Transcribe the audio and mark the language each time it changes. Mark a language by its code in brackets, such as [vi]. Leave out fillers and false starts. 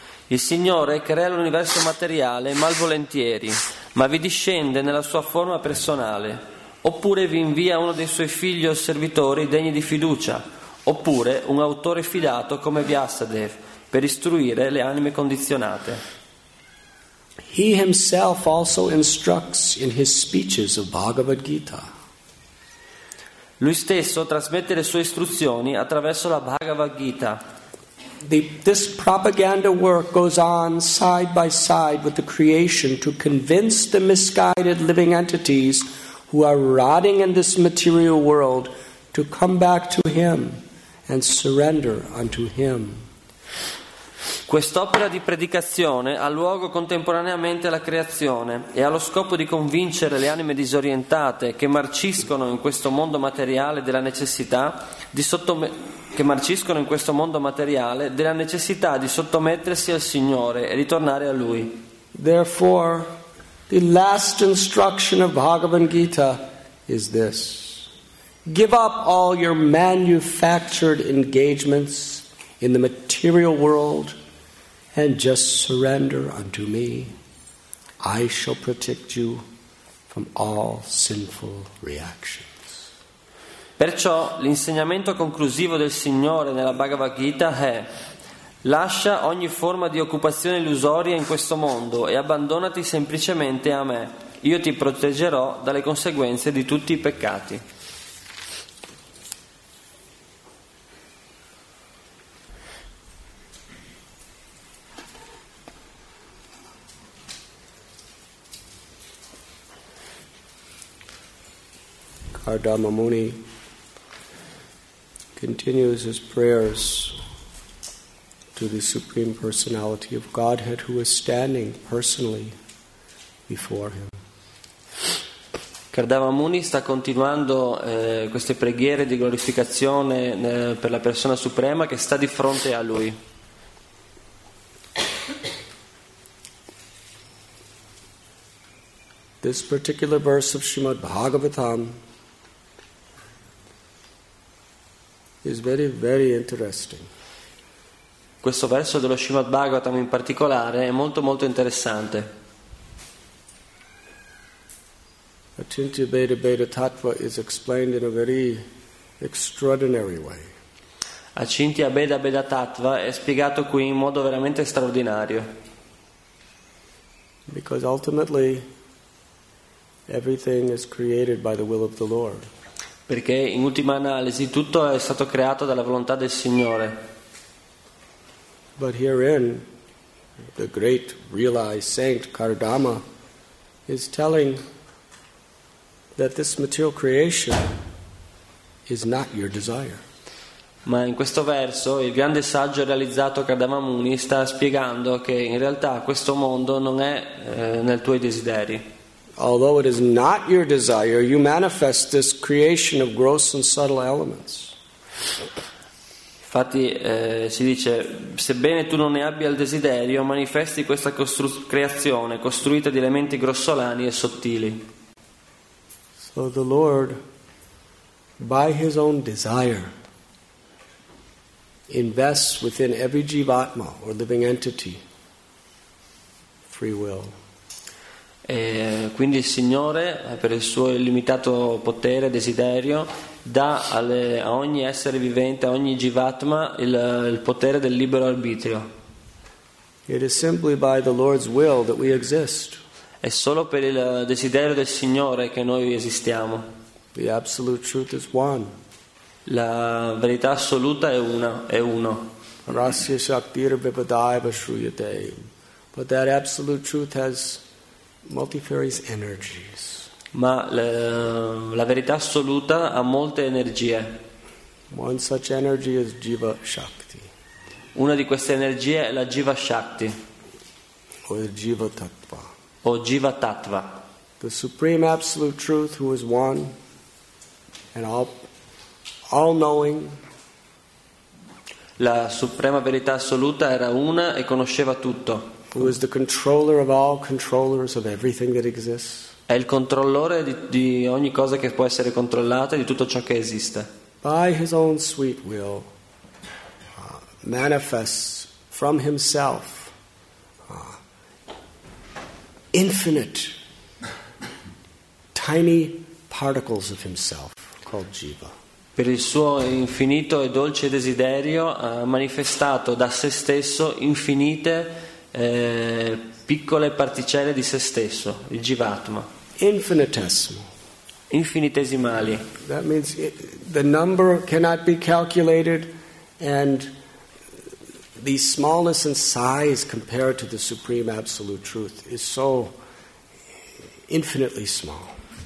[it] Il Signore crea l'universo materiale malvolentieri, ma vi discende nella sua forma personale, oppure vi invia uno dei suoi figli o servitori degni di fiducia, oppure un autore fidato come Vyasadev per istruire le anime condizionate. [en] He himself also instructs in his speeches of Bhagavad Gita. [it] Lui stesso trasmette le sue istruzioni attraverso la Bhagavad Gita. [en] This propaganda work goes on side by side with the creation to convince the misguided living entities who are rotting in this material world to come back to Him and surrender unto Him. [it] Quest'opera di predicazione ha luogo contemporaneamente alla creazione e ha lo scopo di convincere le anime disorientate che marciscono in questo mondo materiale della necessità di sottomettersi al Signore e ritornare a Lui. [en] Therefore, the last instruction of Bhagavad Gita is this: give up all your manufactured engagements in the material world and just surrender unto me. I shall protect you from all sinful reactions. [it] Perciò l'insegnamento conclusivo del Signore nella Bhagavad Gita è: lascia ogni forma di occupazione illusoria in questo mondo e abbandonati semplicemente a me. Io ti proteggerò dalle conseguenze di tutti i peccati. [en] Kardama Muni continues his prayers to the Supreme Personality of Godhead, who is standing personally before him. [it] Kardama Muni sta continuando queste preghiere di glorificazione per la persona suprema che sta di fronte a lui. [en] This particular verse of Srimad Bhagavatam is very, very interesting. [it] Questo verso dello Srimad Bhagavatam in particolare è molto molto interessante. [en] Achintya Bheda Bheda Tattva is explained in a very extraordinary way. [it] Achintya Bheda Bheda Tattva è spiegato qui in modo veramente straordinario. [en] Because ultimately everything is created by the will of the Lord. [it] Perché in ultima analisi tutto è stato creato dalla volontà del Signore. [en] But herein, the great realized saint Kardama is telling that this material creation is not your desire. [it] Ma in questo verso il grande saggio realizzato Kardama Muni sta spiegando che in realtà questo mondo non è nei tuoi desideri. [en] Although it is not your desire, you manifest this creation of gross and subtle elements. [it] Infatti si dice, sebbene tu non ne abbia il desiderio, manifesti questa creazione costruita di elementi grossolani e sottili. [en] So the Lord, by His own desire, invests within every jivatma or living entity free will. [it] E quindi il Signore, per il suo illimitato potere, desiderio, dà a ogni essere vivente, a ogni jivatma, il potere del libero arbitrio. [en] It is simply by the Lord's will that we exist. [it] È solo per il desiderio del Signore che noi esistiamo. [en] The absolute truth is one. [it] La verità assoluta è una, è uno. [sa] Rasya shaktir vipadaiva shruyate. [en] But that absolute truth has multifarious energies. [it] Ma la verità assoluta ha molte energie. [en] One such energy is Jiva Shakti. [it] Una di queste energie è la Jiva Shakti. [en] O Jiva Tattva. [it] O Jiva Tattva. [en] The supreme absolute truth, who is one and all knowing. [it] La suprema verità assoluta era una e conosceva tutto. [en] Who is the controller of all controllers of everything that exists? [it] È il controllore di ogni cosa che può essere controllata, di tutto ciò che esiste. [en] By his own sweet will, manifests from himself infinite tiny particles of himself called jiva. [it] Per il suo infinito e dolce desiderio ha manifestato da se stesso infinite piccole particelle di se stesso, il jivatma. Infinitesimo. Infinitesimali. [en] That means the number cannot be calculated and the smallness and size compared to the Supreme Absolute Truth is so infinitely small.